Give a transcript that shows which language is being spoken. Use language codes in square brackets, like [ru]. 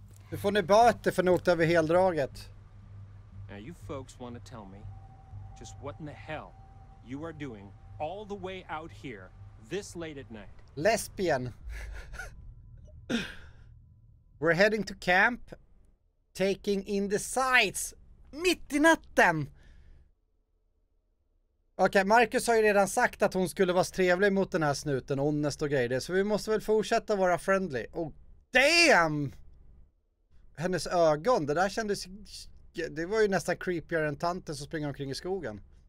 [sv] Du får ni böter för något över heldraget. [en] Now you folks want to tell me just what in the hell you are doing all the way out here this late at night. Lesbian. We're heading to camp, taking in the sights [sv] mitt i natten. Okej, okay, Marcus har ju redan sagt att hon skulle vara trevlig mot den här snuten, honest och grejer, så vi måste väl fortsätta vara friendly. Oh damn. Hennes ögon, det där kändes, det var ju nästan creepigare än tanten som springer omkring i skogen.